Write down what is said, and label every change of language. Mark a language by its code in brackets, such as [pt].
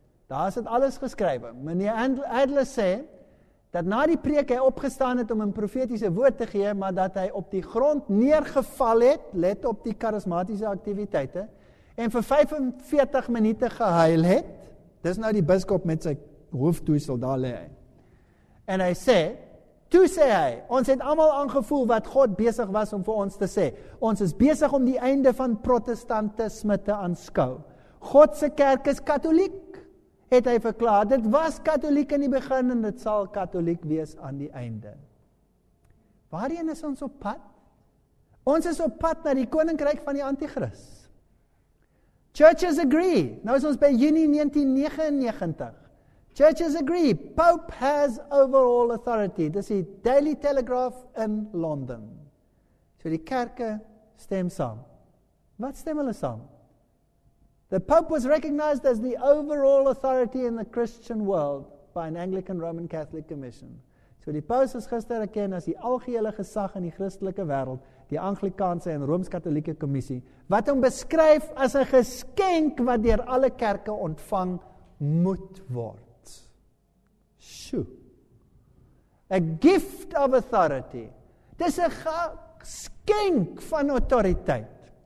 [af] Daar is dit alles geskrywe. Meneer Adler sê dat na die preek hy opgestaan het om 'n profetiese woord te gee, maar dat hy op die grond neergeval het, let op die karismatiese aktiwiteite, en vir 45 minute gehuil het. Dis nou die biskop met sy hoofdoesel, daar lê hy. En hy sê, toe sê hy, ons het allemaal aangevoel wat God besig was om vir ons te sê. Ons is besig om die einde van protestantisme te aanskou. Godse kerk is katholiek, het hy verklaar. Dit was katholiek in die begin en dit sal katholiek wees aan die einde. Waarheen is ons op pad? Ons is op pad na die koninkryk van die Antichrist. [en] Churches agree. [af] Nou is ons by Junie 1999. Churches agree. [en] Pope has overall authority. [af] Dis die Daily Telegraph in London. So die kerke stem saam. Wat stem hulle saam? [en] The Pope was recognized as the overall authority in the Christian world by an Anglican Roman Catholic Commission. [af] So die paus is gister erken as die algehele gesag in die Christelike wêreld, die Anglikaanse en Rooms-Katolieke Kommissie, wat hom beskryf as 'n geskenk wat deur alle kerke ontvang moet word. Shoo. [en] A gift of authority. [af] Dis 'n geskenk van autoriteit.